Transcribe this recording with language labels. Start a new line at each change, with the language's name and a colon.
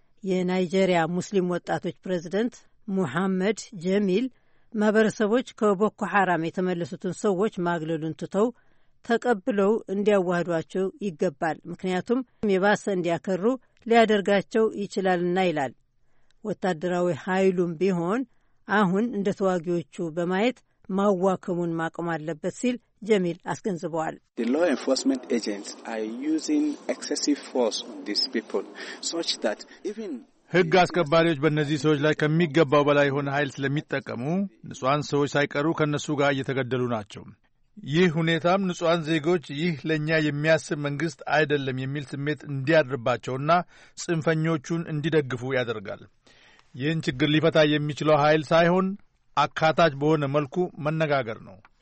Amharic: የናይጄሪያ ሙስሊም ወጣቶች ፕሬዚደንት ሙሐመድ ጀሚል ማህበረሰቦች ከቦኮ ሐራም የተመለሱትን ሰዎች ማግለሉን ትተው ተቀብለው እንዲያዋህዷቸው ይገባል፣ ምክንያቱም የባሰ እንዲያከሩ ሊያደርጋቸው ይችላልና ይላል። ወታደራዊ ኃይሉም ቢሆን አሁን እንደ ተዋጊዎቹ በማየት ማዋከሙን ማቆም አለበት ሲል ጀሚል አስገንዝበዋል።
English: The law enforcement agents are using excessive force on these people such that even
Amharic: ህግ አስከባሪዎች በእነዚህ ሰዎች ላይ ከሚገባው በላይ የሆነ ኃይል ስለሚጠቀሙ ንጹሃን ሰዎች ሳይቀሩ ከነሱ ጋር እየተገደሉ ናቸው። ይህ ሁኔታም ንጹሃን ዜጎች ይህ ለኛ የሚያስብ መንግስት አይደለም የሚል ስሜት እንዲያድርባቸውና ጽንፈኞቹን እንዲደግፉ ያደርጋል። ይህን ችግር ሊፈታ የሚችለው ኃይል ሳይሆን አካታች በሆነ መልኩ መነጋገር ነው።